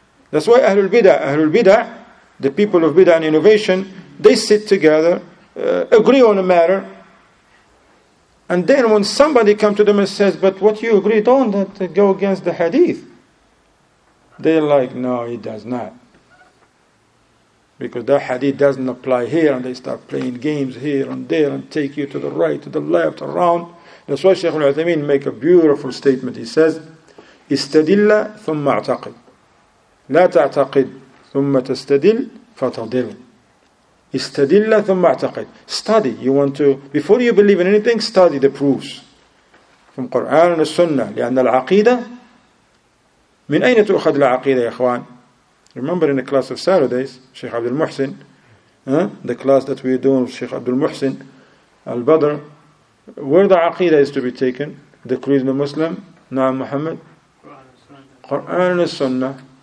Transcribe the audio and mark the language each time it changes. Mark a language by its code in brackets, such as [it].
[en] That's why Ahlul Bidah, the people of Bidah and innovation, they sit together, agree on a matter, and then when somebody comes to them and says, but what you agreed on, that go against the hadith, they're like, no, it does not. Because that hadith doesn't apply here, and they start playing games here and there and take you to the right, to the left, around. That's why Shaykh al-Uthaymeen make a beautiful statement. He says, [ar] استدل ثم اعتقد لا تعتقد ثم تستدل فتضل. استدل ثم اعتقد. [en] Study. You want to, before you believe in anything, study the proofs from Quran and Sunnah. [ar] لأن العقيدة من أين تؤخذ العقيدة يا أخوان؟ [en] Remember in the class of Saturdays, Sheikh Abdul Muhsin, the class that we're doing with Sheikh Abdul Muhsin Al-Badr, where the aqidah is to be taken, the creed of the Muslim, Naam Muhammad, Quran and Sunnah.